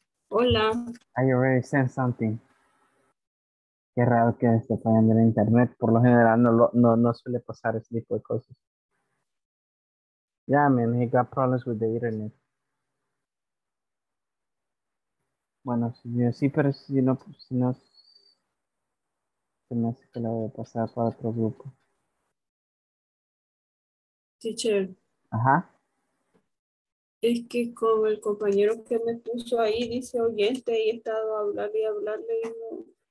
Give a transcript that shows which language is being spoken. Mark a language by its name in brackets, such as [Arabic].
[Spanish] Hola. [English] I already sent something. [Spanish] Qué raro que esté fallando el internet. Por lo general no suele pasar ese tipo de cosas. [English] Yeah, man, he got problems with the internet. [Spanish] Bueno, sí, pero si no, se me hace que lo voy a pasar para otro grupo. [English] Teacher. Ajá. [Spanish] Es que con el compañero que me puso ahí, dice oyente, y he estado hablando y no.